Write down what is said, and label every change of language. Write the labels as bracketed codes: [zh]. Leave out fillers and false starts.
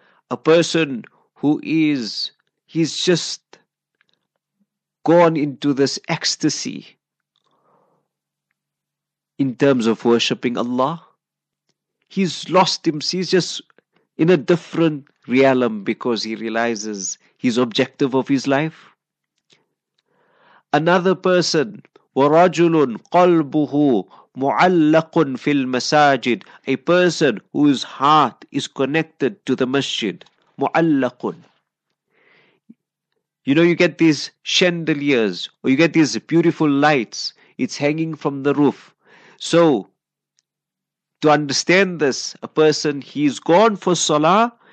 [en] A person who is, he's just gone into this ecstasy in terms of worshipping Allah. He's lost himself. He's just in a different realm because he realizes his objective of his life. Another person, [ar] وَرَجُلٌ قَلْبُهُ مُعَلَّقٌ فِي الْمَسَاجِدِ. [en] A person whose heart is connected to the masjid. [ar] مُعَلَّقٌ. [en] You know, you get these chandeliers or you get these beautiful lights. It's hanging from the roof. So, to understand this, a person, he's gone for salah.